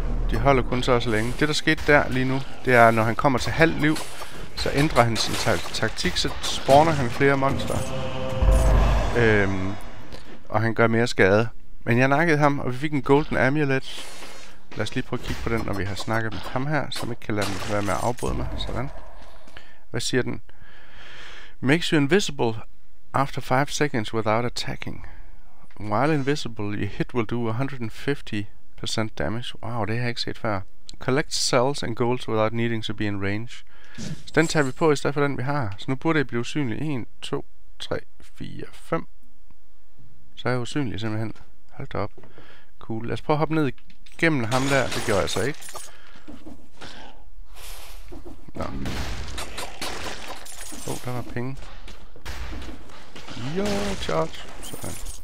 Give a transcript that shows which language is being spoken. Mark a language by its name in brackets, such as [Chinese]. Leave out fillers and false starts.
[Danish] De holder kun så også længe. Det der skete der lige nu, det er, når han kommer til halvt liv, så ændrer han sin taktik, så spawner han flere monster. Og han gør mere skade. Men jeg nakkede ham, og vi fik en golden amulet. Lad os lige prøve at kigge på den, når vi har snakket med ham her, som ikke kan lade mig være med at afbryde mig. Sådan. Hvad siger den? [English] Makes you invisible after 5 seconds without attacking. While invisible, your hit will do 150% damage. [Danish] Wow, det har jeg ikke set før. [English] Collect cells and gold without needing to be in range. [Danish] Så den tager vi på, i stedet for den, vi har. Så nu burde det blive usynlig. 1, 2, 3, 4, 5. Så er jeg usynlig, simpelthen. Hold da op. Cool. Lad os prøve at hoppe ned gennem ham der. Det gjorde jeg så ikke. Nå. Der var penge. Yo-charge. Sådan.